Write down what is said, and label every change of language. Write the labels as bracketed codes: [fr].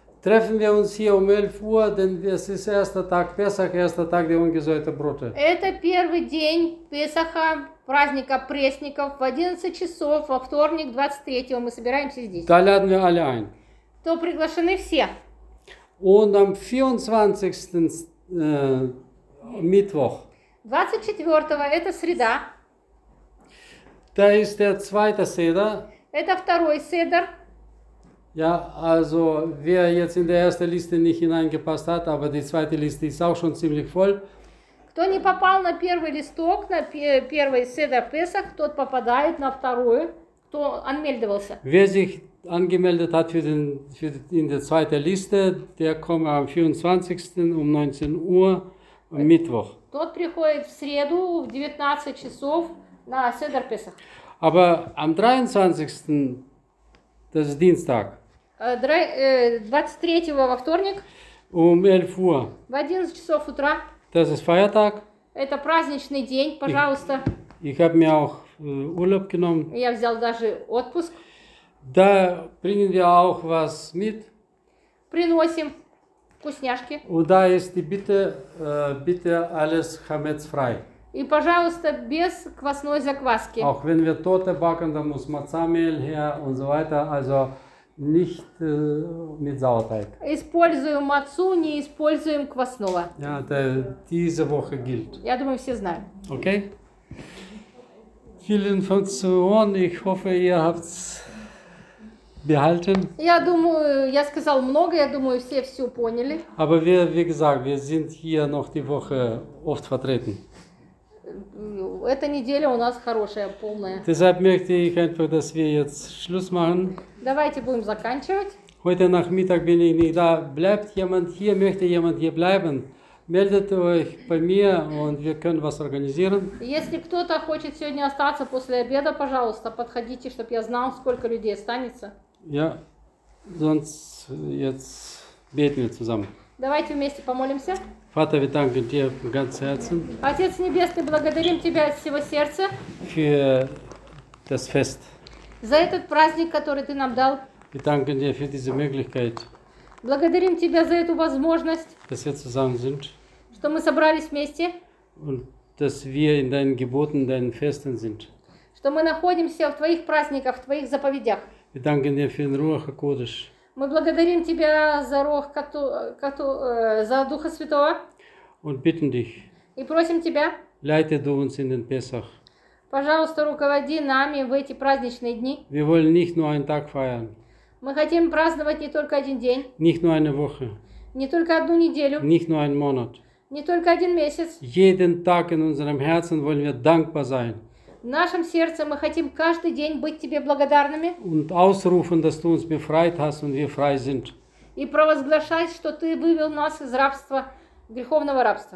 [de] Treffen wir uns hier 11 Uhr, denn es ist erster Tag Pesach, erster Tag der ungesäuerten Brote. [ru] Это первый день Песаха, праздника пресников, в 11 часов, во вторник, 23-го, мы собираемся здесь. [de] Da laden wir alle ein. [ru] То приглашены все. [de] Und am 24. Mittwoch. [ru] 24-го это среда. [de] Da ist der zweite Seder. [ru] Это второй Седер. [de] Ja, also wer jetzt in der ersten Liste nicht hineingepasst hat, aber die zweite Liste ist auch schon ziemlich voll. [ru] Кто не попал на первый листок, на первый Седер Песах, тот попадает на вторую, кто анмельдовался. [de] Wer sich angemeldet hat in der zweiten Liste, der kommt am 24. um 19 Uhr am Mittwoch. [ru] Тот приходит в среду в 19 часов на Седер Песах. [de] Aber am 23. das ist Dienstag. [ru] 23. во вторник. [de] Um 11 Uhr. [ru] В 11 часов утра. [de] Das ist Feiertag. [ru] Это праздничный день, пожалуйста. [de] Ich habe mir auch Urlaub genommen. [ru] Я взял даже отпуск. [de] Da bringen wir auch was mit. [ru] Приносим вкусняшки. [de] Und da ist die Bitte, bitte alles Hametz frei. [ru] И, пожалуйста, без квасной закваски. [de] Auch wenn wir Torte backen, dann muss Matzahmehl her und so weiter, also nicht mit Sauerteig. [ru] Используем мацу, не используем квасного. [de] Ja, diese Woche gilt. [ru] Я думаю, все знают. [de] Okay. Vielen Funktion. Ich hoffe, ihr habt's behalten. [ru] Я думаю, я сказал много, я думаю, все все поняли. [de] Aber wie gesagt, wir sind hier noch die Woche oft vertreten. [ru] Эта неделя у нас хорошая, полная. [de] Deshalb möchte ich einfach, dass wir jetzt Schluss machen. [ru] Давайте будем заканчивать. [de] Heute Nachmittag bin ich nicht da. Bleibt jemand hier, möchte jemand hier bleiben? Meldet euch bei mir und wir können was organisieren. [ru] Если кто-то хочет сегодня остаться после обеда, пожалуйста, подходите, чтобы я знал, сколько людей останется. [de] Ja, sonst jetzt beten wir zusammen. [ru] Давайте вместе помолимся. [de] Vater, wir danken dir von ganzem Herzen. [ru] Отец небесный, благодарим тебя от всего сердца. [de] Für das Fest. [ru] За этот праздник, который ты нам дал. [de] Wir danken dir für diese Möglichkeit. [ru] Благодарим тебя за эту возможность. [de] Dass wir zusammen sind. [ru] Что мы собрались вместе. [de] Und dass wir in deinen Geboten, deinen Festen sind. [ru] Что мы находимся в твоих праздниках, в твоих заповедях. [de] Wir danken dir für den Ruach HaKodesh. [ru] Мы благодарим тебя за Рух, за Духа Святого. [de] Und bitten dich. [ru] И просим тебя. [de] Leite du uns in den Pesach. [ru] Пожалуйста, руководи нами в эти праздничные дни. [de] Wir wollen nicht nur einen Tag feiern. [ru] Мы хотим праздновать не только один день. [de] Nicht nur eine Woche. [ru] Не только одну неделю. [de] Nicht nur einen Monat. [ru] Не только один месяц. [de] Jeden Tag in unserem Herzen wollen wir dankbar sein. [ru] В нашем сердце мы хотим каждый день быть тебе благодарными. [de] Und ausrufen, dass du uns befreit hast und wir frei sind. [ru] И провозглашать, что ты вывел нас из рабства, греховного рабства.